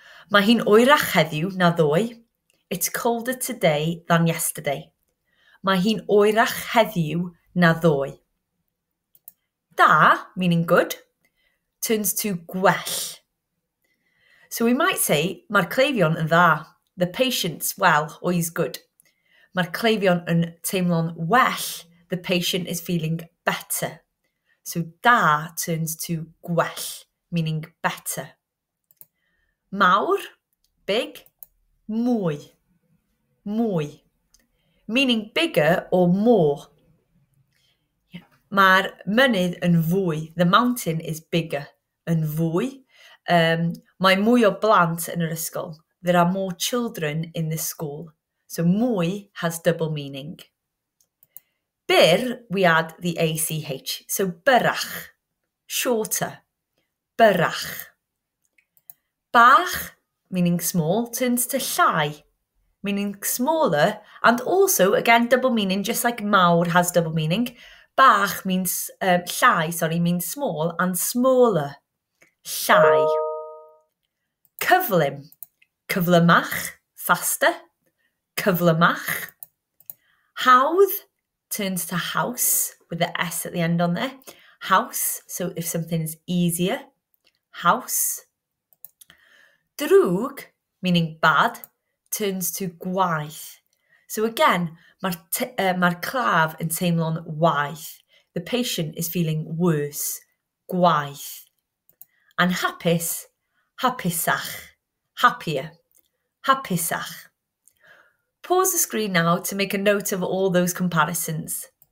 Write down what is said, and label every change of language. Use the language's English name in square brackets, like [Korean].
[Welsh] Mae hi'n oerach heddiw na ddoe. [English] It's colder today than yesterday. [Welsh] Mae hi'n oerach heddiw na ddoe. [English] Da, meaning good, turns to gwell. So we might say, [Welsh] mae'r cleifion yn dda, [English] the patient's well, or he's good. [Welsh] Mae'r cleifion yn teimlo'n well, [English] the patient is feeling better. So da turns to gwell, meaning better. Mawr, big, mwy, mwy, meaning bigger or more. [Welsh] Mae'r mynydd yn fwy, [English] the mountain is bigger, [Welsh] yn fwy. Mae mwy o blant yn yr ysgol. [English] There are more children in the school. So mwy has double meaning. Byr, we add the ACH. So byrach, shorter, byrach. Bach, meaning small, turns to llai, meaning smaller. And also, again, double meaning, just like mawr has double meaning. Bach means, llai, sorry, means small and smaller. Llai. Cyflym, cyflymach, faster, cyflymach. Hawdd turns to haws with the S at the end on there. Haws, so if something's easier, haws. Drwg, meaning bad, turns to gwaith. So again, [Welsh] mae'r claf yn teimlo'n waith. [English] The patient is feeling worse, gwaith. And hapus, hapusach, happier, hapusach. Pause the screen now to make a note of all those comparisons.